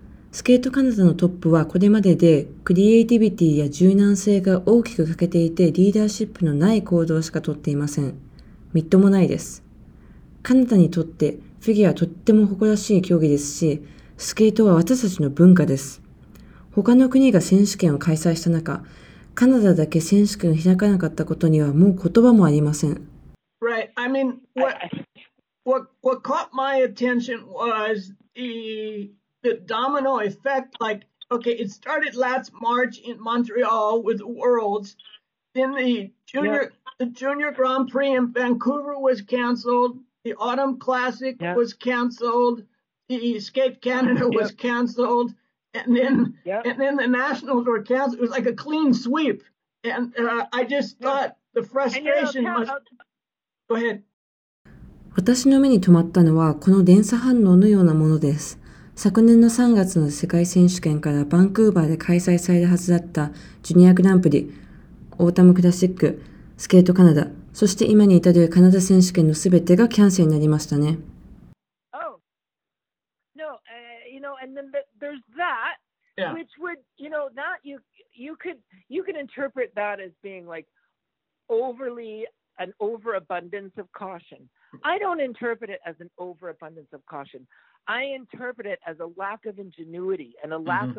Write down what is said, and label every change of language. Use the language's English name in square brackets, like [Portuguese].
[Japanese] スケートカナダのトップはこれまででクリエイティビティや柔軟性が大きく欠けていてリーダーシップのない行動しか取っていません。みっともないです。カナダにとってフィギュアはとっても誇らしい競技ですし、スケートは私たちの文化です。他の国が選手権を開催した中、カナダだけ選手権を開かなかったことにはもう言葉もありません。 [English] Right, I mean, what caught my attention was the domino effect, like, okay, it started last March in Montreal with the Worlds. Then the Junior Grand Prix in Vancouver was canceled. The Autumn Classic、yeah. was canceled. The Skate Canada was、yeah. canceled. And then the Nationals were canceled. It was like a clean sweep. And、I just thought、yeah. the frustration was... Go ahead. [Japanese] 私の目に留まったのはこの連鎖反応のようなものです。昨年の3月の世界選手権からバンクーバーで開催されるはずだったジュニアグランプリ、オータムクラシック、スケートカナダ、そして今に至るカナダ選手権のすべてがキャンセルになりましたね。 [English] Oh, no, you know, and then there's that,、 yeah. which would, you know, that you could interpret that as being like overly an overabundance of caution. I don't interpret it as an overabundance of caution. I interpret it as a lack of ingenuity and a lack、mm-hmm.